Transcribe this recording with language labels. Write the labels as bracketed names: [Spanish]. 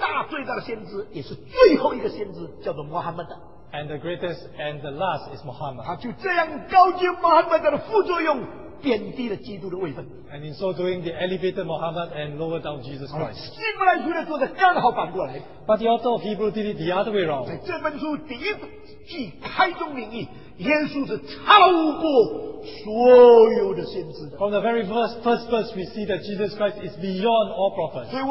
[Chinese] 最大的先知也是最后一个先知叫做穆罕默德. [English] And the greatest and the last is Muhammad. [Chinese] 他就这样高举穆罕默德的副作用, 贬低了基督的位分. [English] And in so doing, they elevated Muhammad and lowered down Jesus Christ. [Chinese] 希伯来书的作者刚好反过来. [English] But the author of Hebrew did it the other way around. [Chinese] 在这本书第一句开宗明义, 耶稣是超过所有的先知的. [English] From the very first verse, we see that Jesus Christ is beyond all prophets.